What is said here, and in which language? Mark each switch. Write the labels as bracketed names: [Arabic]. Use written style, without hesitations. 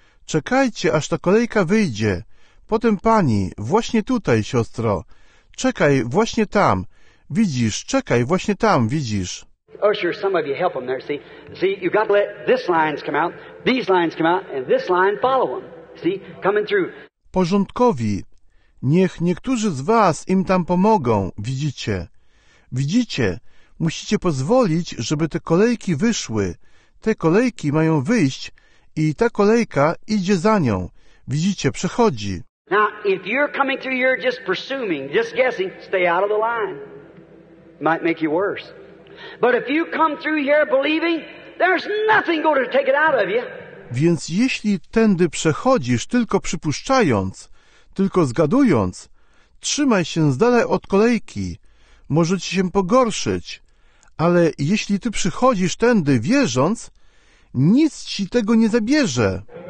[Polish] Czekajcie, aż ta kolejka wyjdzie. Potem pani, właśnie tutaj, siostro. Czekaj, właśnie tam. Widzisz, czekaj, właśnie tam, widzisz. [English] Usher, some of you help them there, see. See, you got to let this lines come out, these lines come out, and this line follow them. See, coming through. [Polish] Porządkowi. Niech niektórzy z was im tam pomogą, widzicie. Widzicie, musicie pozwolić, żeby te kolejki wyszły. Te kolejki mają wyjść i ta kolejka idzie za nią. Widzicie, przechodzi. [English] Now, if you're coming through here just presuming, just guessing, stay out of the line. Might make you worse. But if you come through here believing, there's nothing going to take it out of you. [Polish] Więc jeśli tędy przechodzisz tylko przypuszczając, tylko zgadując, trzymaj się z dala od kolejki, może ci się pogorszyć, ale jeśli ty przychodzisz tędy wierząc, nic ci tego nie zabierze.